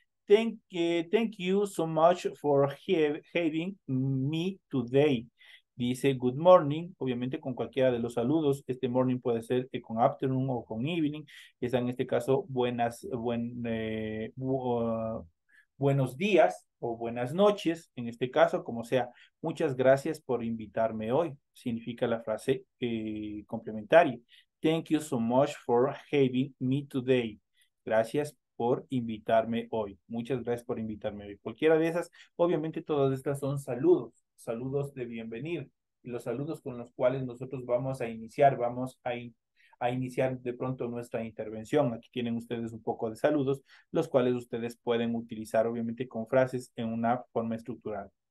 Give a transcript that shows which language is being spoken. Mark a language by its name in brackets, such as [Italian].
[English] Thank you so much for having me today. [Spanish] Dice good morning, obviamente con cualquiera de los saludos. Este morning puede ser con afternoon o con evening. Está en este caso buenos días o buenas noches. En este caso, como sea, muchas gracias por invitarme hoy. Significa la frase complementaria. [English] Thank you so much for having me today. [Spanish] Gracias por invitarme hoy. Muchas gracias por invitarme hoy. Cualquiera de esas, obviamente todas estas son saludos, saludos de bienvenida. Los saludos con los cuales nosotros vamos a iniciar de pronto nuestra intervención. Aquí tienen ustedes un poco de saludos, los cuales ustedes pueden utilizar obviamente con frases en una forma estructural.